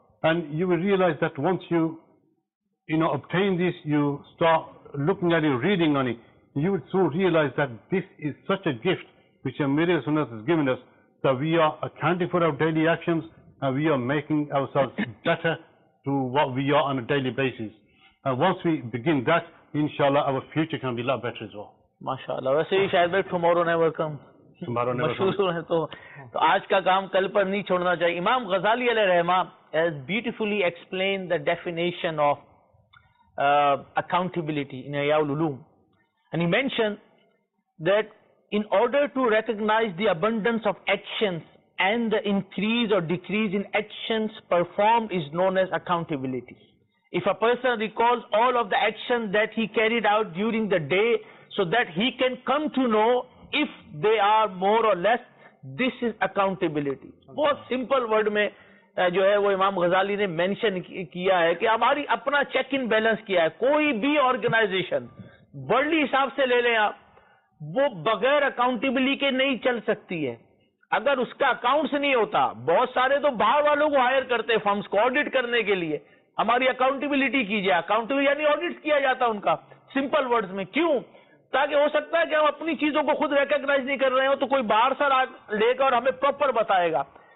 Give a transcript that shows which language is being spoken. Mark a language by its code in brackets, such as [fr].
[en] And you will realize that once you, you know, obtain this, you start looking at it, reading on it, you will soon realize that this is such a gift which Amir al-Sunnah has given us, that we are accounting for our daily actions and we are making ourselves better to what we are on a daily basis. And once we begin that, inshallah, our future can be a lot better as well. MashaAllah. [hi] वैसे ही शायद भाई [en] tomorrow never comes. Tomorrow never comes. [hi] मशहूर है तो आज का काम कल पर नहीं छोड़ना चाहिए. [en] Imam Ghazali अलैह रहमा has beautifully explained the definition of accountability in Ihya'ul Ulum. And he mentioned that in order to recognize the abundance of actions and the increase or decrease in actions performed is known as accountability. If a person recalls all of the actions that he carried out during the day so that he can come to know if they are more or less, this is accountability. [hi] Bahut simple word mein jo hai wo Imam Ghazali ne mention kiya hai ki hamari apna check in balance kiya hai koi bhi organization world हिसाब से ले लें आप, वो बगैर accountability के नहीं चल सकती है. अगर उसका अकाउंट्स नहीं होता, बहुत सारे तो बाहर वालों को हायर करते हैं फर्म्स को ऑडिट करने के लिए, हमारी अकाउंटेबिलिटी की जाए, अकाउंटेबिलिटी यानी ऑडिट किया जाता है उनका, सिंपल वर्ड्स में. क्यों? ताकि हो सकता है कि हम अपनी चीजों को खुद रिकग्नाइज नहीं कर रहे हो तो कोई बाहर सा लेगा और हमें प्रॉपर बताएगा.